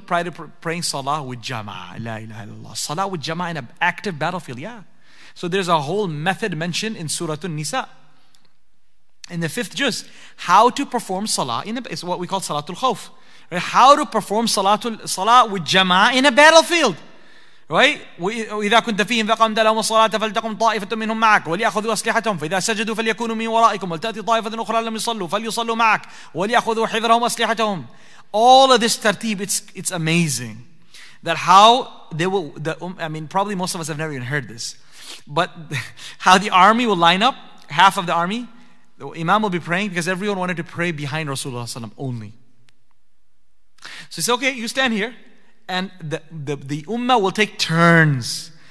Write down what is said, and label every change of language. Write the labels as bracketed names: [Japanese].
[English] Try to praying salah with jama'ah. La ilaha illallah. Salah with jama'ah in an active battlefield, yeah. So there's a whole method mentioned in Surah An-Nisa. In the fifth juz, how to perform salah it's what we call salatul khawf. Right? How to perform salah with jama'ah in a battlefield. Right? [Arabic] وإذا كنت فيهم فقمت لهم الصلاة فلتقم طائفة منهم معك وليأخذوا أسلحتهم فإذا سجدوا فليكونوا من ورائكم ولتأتي طائفة أخرى لم يصلوا فليصلوا معك وليأخذوا حذرهم أسلحتهم. [English] All of this tartib, it's amazing. That how they will, I mean, probably most of us have never even heard this. But how the army will line up half of the army, the Imam will be praying because everyone wanted to pray behind Rasulullah only. So he said, okay, you stand here. And the ummah will take turns.